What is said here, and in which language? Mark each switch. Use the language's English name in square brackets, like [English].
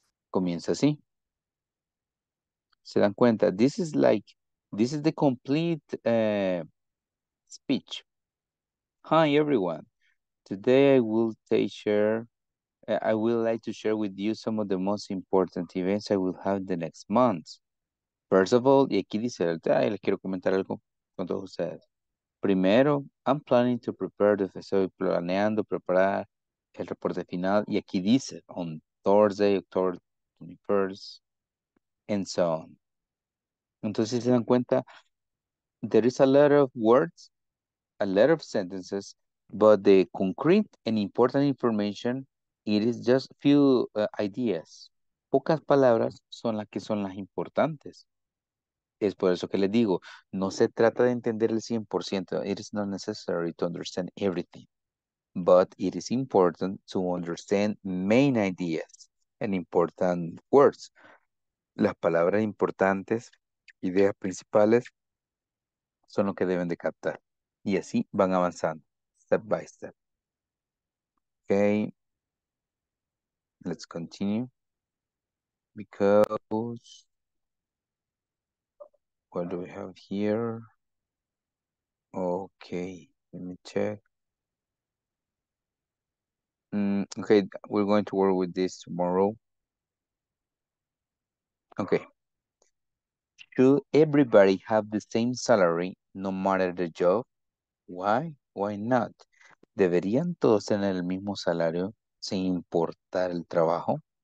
[Spanish] Comienza así. Se dan cuenta, [English] this is like, this is the complete speech. Hi, everyone. Today I will take share. I would like to share with you some of the most important events I will have in the next month. First of all, [Spanish] y aquí dice, y les quiero comentar algo con todos ustedes. Primero, [English] I'm planning to prepare the [Spanish] estoy planeando preparar el reporte final. Y aquí dice, [English] on Thursday, October 21st, and so on. [Spanish] Entonces, se dan cuenta, [English] there is a lot of words, a lot of sentences, but the concrete and important information, it is just few ideas. [Spanish] Pocas palabras son las que son las importantes. Es por eso que les digo, no se trata de entender el 100%. [English] It is not necessary to understand everything. But it is important to understand main ideas and important words. [Spanish] Las palabras importantes, ideas principales, son lo que deben de captar. Y así van avanzando, [English] step by step. [Spanish] Okay. Let's continue. [English] Because, what do we have here? Okay, let me check. Okay, we're going to work with this tomorrow. Okay. Should everybody have the same salary, no matter the job? Why? Why not? [Spanish] ¿Deberían todos tener el mismo salario sin importar el trabajo?